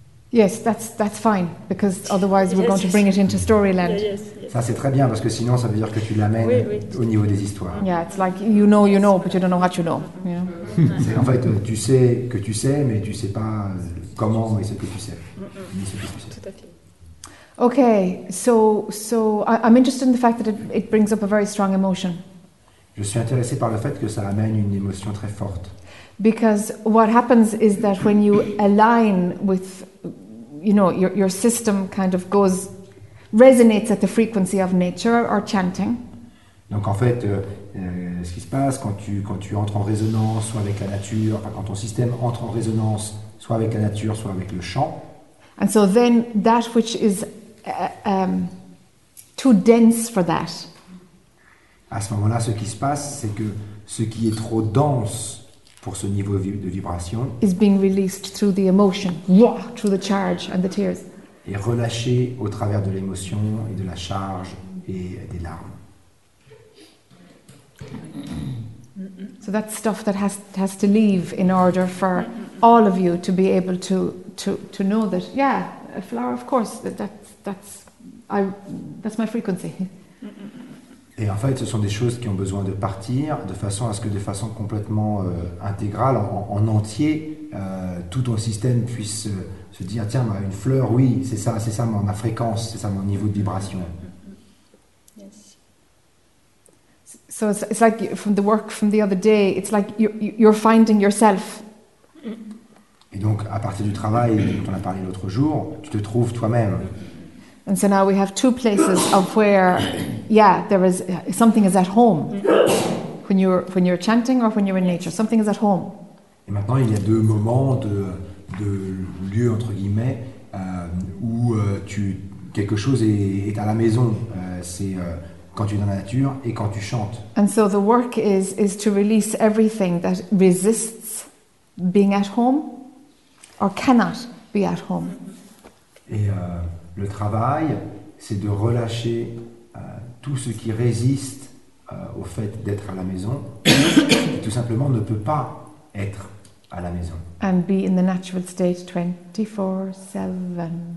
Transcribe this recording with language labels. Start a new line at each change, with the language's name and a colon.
English: Yes, that's fine, because otherwise we're going to bring it into storyland. Yeah, yes.
French: Ça c'est très bien parce que sinon ça veut dire que tu l'amènes au niveau des histoires.
English: Yeah, it's like you know, but you don't know how you know. Yeah.
French: C'est en fait tu sais que tu sais, mais tu sais pas comment et ce que tu sais. Mm-mm. Tout à fait.
English: Okay, so I'm interested in the fact that it brings up a very strong emotion.
French: Je suis intéressé par le fait que ça amène une émotion très forte.
English: Because what happens is that when you align with, you know, your system kind of goes, resonates at the frequency of nature or chanting.
French: Donc en fait, ce qui se passe quand tu entres en résonance, soit avec la nature, enfin, quand ton système entre en résonance, soit avec la nature, soit avec le chant.
English: And so then that which is too dense for that.
French: À ce moment-là, ce qui se passe, c'est que ce qui est trop dense pour ce niveau de vibration
English: is being released through the emotion, wow, through the charge and the tears.
French: Est relâché au travers de l'émotion et de la charge et des larmes.
English: So that's stuff that has to leave in order for all of you to be able to know that, yeah, a flower, of course, that's my frequency.
French: Et en fait, ce sont des choses qui ont besoin de partir de façon à ce que, de façon complètement intégrale, en entier, tout ton système puisse se dire, tiens, bah, une fleur, oui, c'est ça ma fréquence, c'est ça mon niveau de vibration.
English: So it's like from the work from the other day, it's like you're finding yourself.
French: Et donc, à partir du travail dont on a parlé l'autre jour, tu te trouves toi-même.
English: And so now we have two places of where, yeah, there is something is at home. When you're chanting or when you're in nature, something is at home.
French: Et maintenant, il y a deux moments de lieu, entre guillemets, où quelque chose est à la maison. C'est quand tu es dans la nature et quand tu chantes.
English: And so the work is to release everything that resists being at home or cannot be at home.
French: Et le travail, c'est de relâcher tout ce qui résiste au fait d'être à la maison et tout simplement ne peut pas être à la maison.
English: And be in the natural state 24/7.